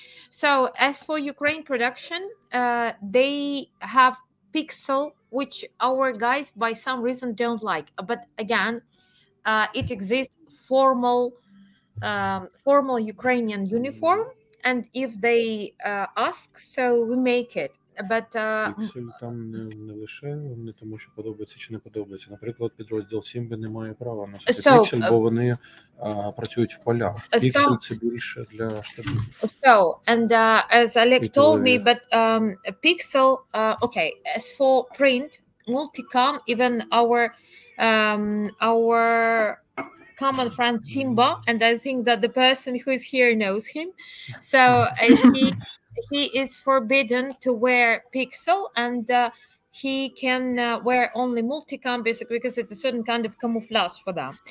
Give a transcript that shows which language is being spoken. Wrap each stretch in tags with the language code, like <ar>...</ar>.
<en>So as for Ukraine production, they have pixel, which our guys by some reason don't like. But again, it exists formal Ukrainian uniform, and if they ask, so we make it. But</en> <uk>всім там не лише не тому, що подобається чи не подобається. Наприклад, підрозділ 7 не має права на пиксель, бо вони працюють в полях. Пиксель це більше для штабів.</uk> <en>So, and as Alec told me, but pixel, okay, as for print, multicam, even our common friend Simba, and I think that the person who is here knows him. So he is forbidden to wear pixel, and he can wear only multicam basically because it's a certain kind of camouflage for them.</en>